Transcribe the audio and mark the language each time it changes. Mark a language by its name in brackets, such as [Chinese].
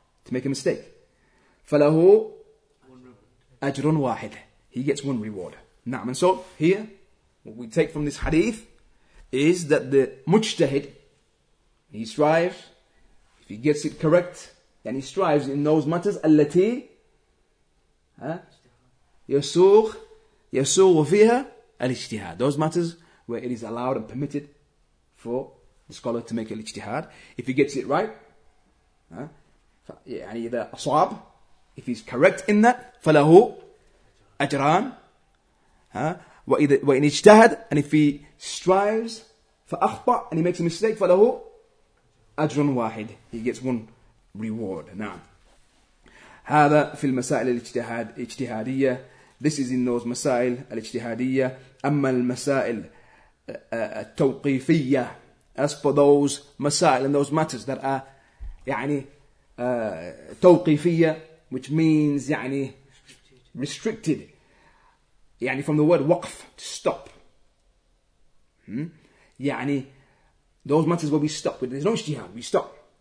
[English] To make a mistake. [Arabic] فله أجر واحد. [English] He gets one reward. نعم. And so here, what we take from this hadith is that the مجتهد He strives, if he gets it correct, then he strives in those matters. [Arabic] التي يسوغ فيها الاجتهاد. [English] Those matters where it is allowed and permitted for the scholar to make الاجتهاد. If he gets it right, يعني [Arabic] إذا أصاب, [English] if he's correct in that, [Arabic] فله أجران. وإن اجتهد, [English] and if he strives, [Arabic] فأخطأ, [English] and he makes a mistake, [Arabic] فله أجرٌ واحد [English] he gets one reward [Arabic] نعم هذا في المسائل الاجتهادية [English] this is in those [Arabic] مسائل الاجتهادية أما المسائل التوقيفية [English] as for those masail and those matters that are يعني [Arabic] توقيفية, [English] which means يعني restricted, يعني from the word waqf, to stop. يعني those matters will be stopped. There's no ijtihad, we stop.